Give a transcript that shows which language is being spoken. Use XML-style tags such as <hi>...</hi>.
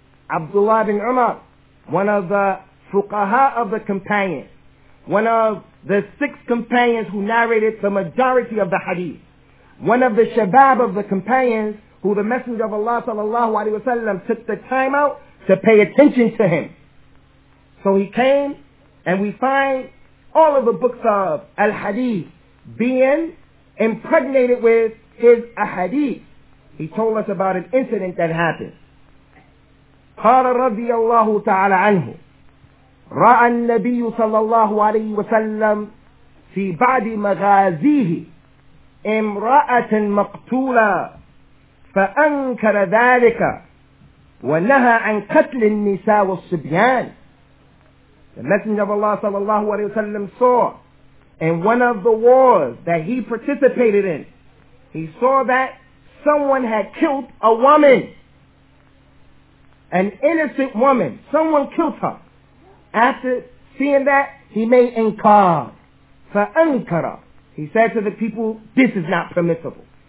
<en>Abdullah ibn Umar, one of the fuqaha of the companion, one of the six companions who narrated the majority of the hadith, one of the shabab of the companions who the Messenger of Allah sallallahu alaihi wasallam took the time out to pay attention to him. So he came, and we find all of the books of al-hadith being impregnated with his ahadith. He told us about an incident that happened.</en> <ar>قال رضي الله تعالى عنه رأى النبي صلى الله عليه وسلم في بعض مغازيه امرأة مقتولة فأنكر ذلك ونهى عن قتل النساء والصبيان.</ar> <en>The Messenger of Allah صلى الله عليه وسلم saw in one of the wars that he participated in, he saw that someone had killed a woman, an innocent woman. Someone killed her. After seeing that, he made inkar. فَأَنْكَرَ He said to the people, this is not permissible.</en>